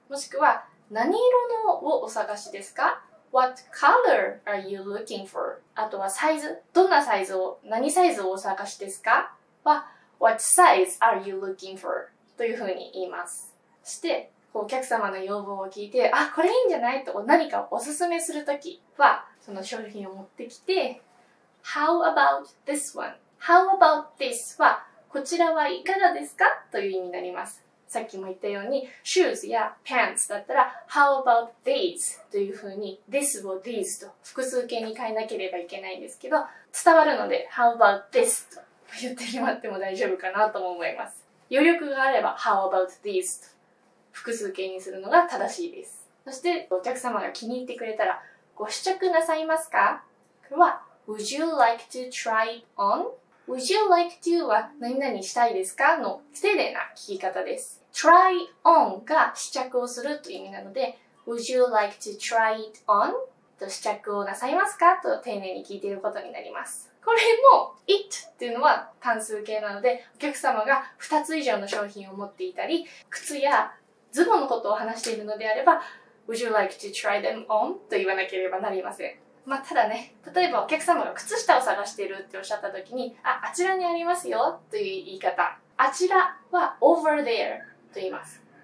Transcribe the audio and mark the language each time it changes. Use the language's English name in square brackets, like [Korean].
[Japanese] もしくは何色のをお探しですか？ [English] What color are you looking for? [Japanese] あとはサイズ、どんなサイズを、何サイズをお探しですか？ [English] は What size are you looking for? [Japanese] というふうに言います。そしてお客様の要望を聞いて、あ、これいいんじゃないと何かおすすめするときは、その商品を持ってきて [English] How about this one? How about this? [Japanese] はこちらはいかがですかという意味になります。さっきも言ったように shoes や pants だったら [English] How about these? [Japanese] というふうに this を these と複数形に変えなければいけないんですけど、伝わるので [English] How about this? [Japanese] と言ってしまっても大丈夫かなとも思います。余力があれば [English] How about these? [Japanese] と複数形にするのが正しいです。そしてお客様が気に入ってくれたら、ご試着なさいますか？これは [English] Would you like to try it on? Would you like to [Japanese] は何々したいですかの丁寧な聞き方です。 try on が試着をするという意味なので、 [English] Would you like to try it on? [Japanese] と試着をなさいますかと丁寧に聞いていることになります。これも it っていうのは単数形なので、お客様が2つ以上の商品を持っていたり、靴やズボンのことを話しているのであれば、 [English] Would you like to try them on? [Japanese] と言わなければなりません。まあ、ただね、例えばお客様が靴下を探しているっておっしゃった時に、あ、あちらにありますよという言い方、あちらは over there と言います。